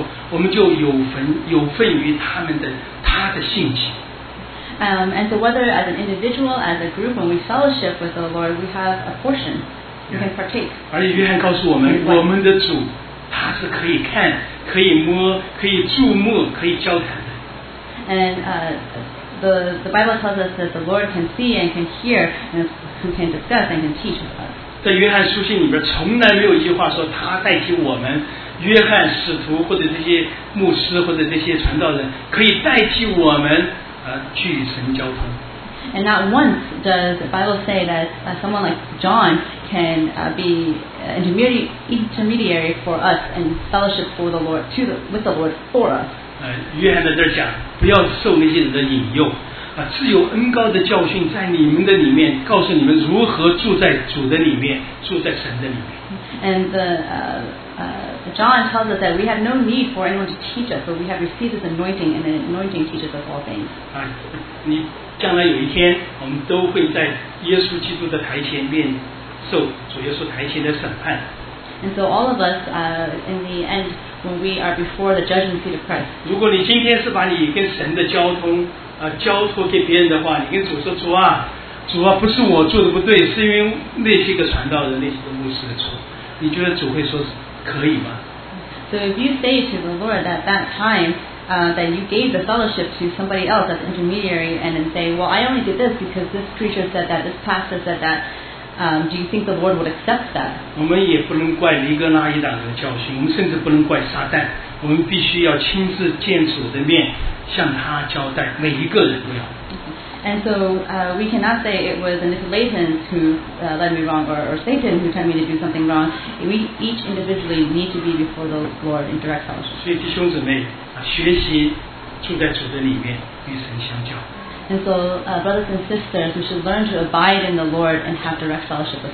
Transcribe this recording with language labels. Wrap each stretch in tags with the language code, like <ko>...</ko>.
<zh>我们就有份于他的信心。</zh> <en>And so whether as an individual, as a group, when we fellowship with the Lord, we have a portion. We can partake.</en> <zh>而且约翰告诉我们，我们的主，他是可以看，可以摸，可以触摸，可以交谈的。</zh> <en>The Bible tells us that the Lord can see and can hear and who can discuss and can teach with us.</en> <zh>在约翰书信里边从来没有一句话说他代替我们，约翰使徒或者这些牧师或者这些传道人可以代替我们去神交通。</zh> <en>And not once does the Bible say that someone like John can be intermediary for us and fellowship for the Lord with the Lord for us.</en> <zh>约翰在这儿讲，不要受那些人的引诱，自有恩膏的教训在你们的里面，告诉你们如何住在主的里面，住在神的里面。</zh> <en>And the John tells us that we have no need for anyone to teach us, but we have received this anointing, and the anointing teaches us all things.</en> <zh>你将来有一天，我们都会在耶稣基督的台前面受主耶稣台前的审判。</zh> <en>And so all of us, in the end, when we are before the judgment seat of Christ.</en> <zh>如果你今天是把你跟神的交通，交托给别人的话，你跟主说主啊，主啊，不是我做的不对，是因为那些个传道人、那些个牧师的错。你觉得主会说可以吗？</zh> <en>So if you say to the Lord at that time, that you gave the fellowship to somebody else as intermediary, and then say, well, I only did this because this preacher said that, this pastor said that. Do you think the Lord would accept that?</en> <zh>我们也不能怪黎哥拉耶党的教训，我们甚至不能怪撒旦，我们必须要亲自见主的面，向他交代，每一个人都要。</zh> <en>And so we cannot say it was an Nicolaitan who led me wrong or Satan who tempted me to do something wrong. We each individually need to be before the Lord in direct fellowship. And so, brothers and sisters, we should learn to abide in the Lord and have direct fellowship with</en>